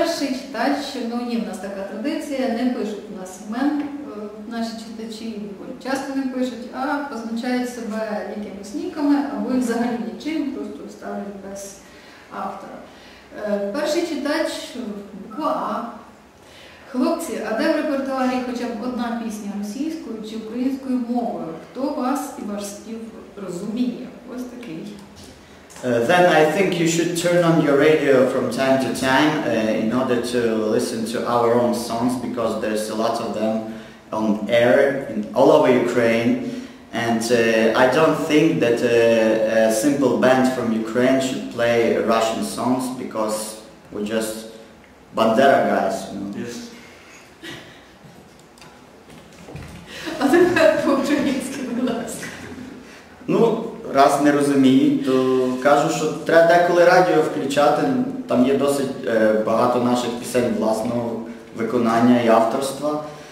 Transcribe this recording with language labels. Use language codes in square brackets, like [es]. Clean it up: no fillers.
[uk] перший читач, ну є в нас така традиція, не пишуть у нас імен, наші читачі часто не пишуть, а позначають себе якимись ніками або взагалі нічим, просто ставлять без автора. Перший читач – буква А. Хлопці, а де в репертуарі хоча б одна пісня російською чи українською мовою? Хто вас і ваш стіл розуміє? Ось такий. [en] Then I think you should turn on your radio from time to time in order to listen to our own songs, because there's a lot of them on air in all over Ukraine. And I don't think that a simple band from Ukraine should play Russian songs, because we're just Bandera guys, you know. Yes. [uk] А тепер по-українськи, будь ласка. Ну, раз не розуміють, то кажу, що треба деколи радіо включати. Там є досить багато наших пісень власного виконання і авторства.